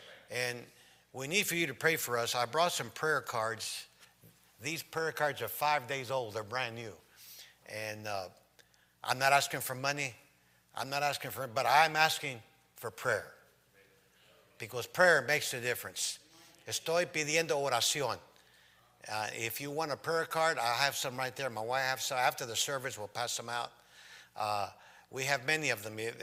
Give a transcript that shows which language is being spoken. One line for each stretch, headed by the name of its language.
English: And we need for you to pray for us. I brought some prayer cards. These prayer cards are 5 days old. They're brand new. And I'm not asking for money. But I'm asking for prayer. Because prayer makes a difference.
Spanish: Estoy pidiendo oración.
English: If you want a prayer card, I have some right there. My wife has some. After the service, we'll pass them out. We have many of them.